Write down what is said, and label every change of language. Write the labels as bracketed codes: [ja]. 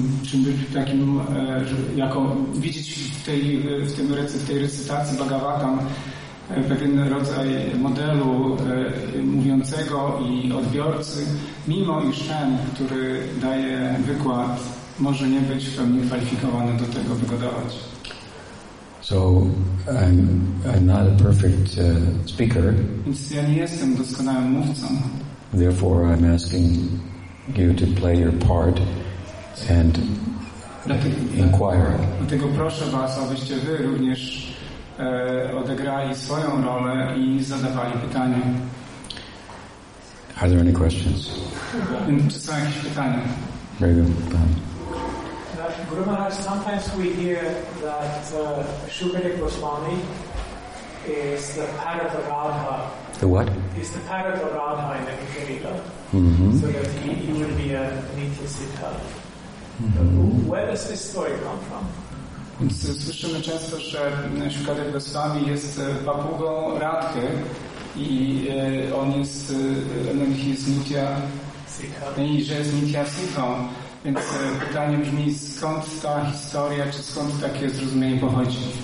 [pl] czym być takim, jako widzieć w tej recytacji Bhagavatam pewien rodzaj modelu mówiącego i odbiorcy, mimo iż ten, który daje wykład, może nie być w pełni kwalifikowany do tego, by go dawać. [en] So I'm not a perfect speaker. [pl] Więc ja nie jestem doskonałym mówcą. [en] Therefore, I'm asking you to play your part and inquire. [pl] Dlatego proszę was, abyście wy również odegrali swoją rolę i zadawali pytania. [en] Are there any questions? [pl] Czy są jakieś pytania? [en] Very good. Guru Maharaj, sometimes we hear that Sukadeva Goswami is the parrot of Radha. The what? Is the parrot of Radha in the Bhagavata. Mm-hmm. So that he would be a Nitya Siddha. Where does this story come from? [pl] Słyszymy często, że Sukadeva Goswami jest papugą Radhy i on jest Nitya Siddha. I że jest Nitya Siddha. Więc pytanie brzmi, skąd ta historia, czy skąd takie zrozumienie pochodzi?